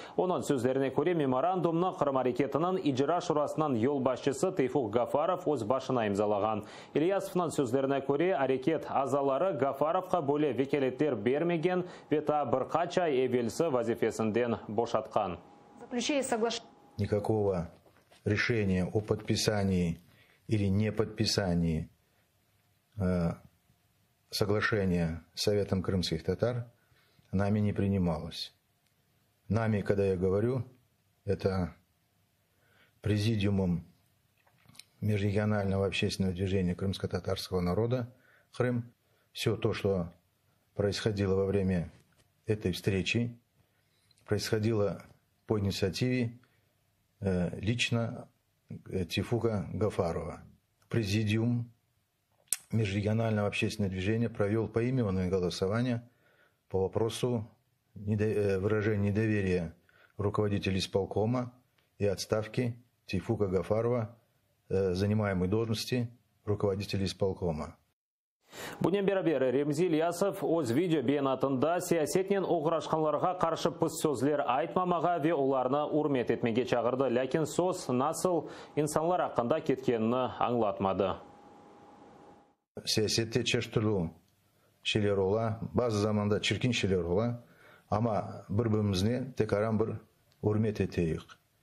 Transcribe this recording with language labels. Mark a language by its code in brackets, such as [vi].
[crh] Оның сөздеріне көре меморандумны Қырым арекетінің ижыра шурасынан елбашшысы Тайфух Гафаров өз башына имзалаған. Ильясовның сөздеріне көре арекет азалары Гафаровқа бөле векелеттер бермеген вета бірқача эвелсі вазифесінден бошатқан. [ru] Никакого решения о подписании или неподписании соглашения с Советом Крымских Татар нами не принималось. Нами, когда я говорю, это президиумом Межрегионального общественного движения крымско-татарского народа «Крым». Все то, что происходило во время этой встречи, происходило по инициативе лично Тайфуха Гафарова. Президиум Межрегионального общественного движения провел поименное голосование по вопросу выражения недоверия руководителя исполкома и отставки Тайфуха Гафарова занимаемой должности руководителя исполкома. [crh] Бүнен бері-бері Ремзи Ильясов өз видео бейнатында сиясетнен оғырашқанларға қаршы пыс сөзлер айтмамаға ве оларыны урмет етмеге чағырды. Ләкен сөз насыл инсанлар ақында кеткеніні аңлатмады. Сиясетте чештілу шелер ола, базы заманда чиркин шелер ола, ама бір-бірімізне тек арам бір урмет етейік.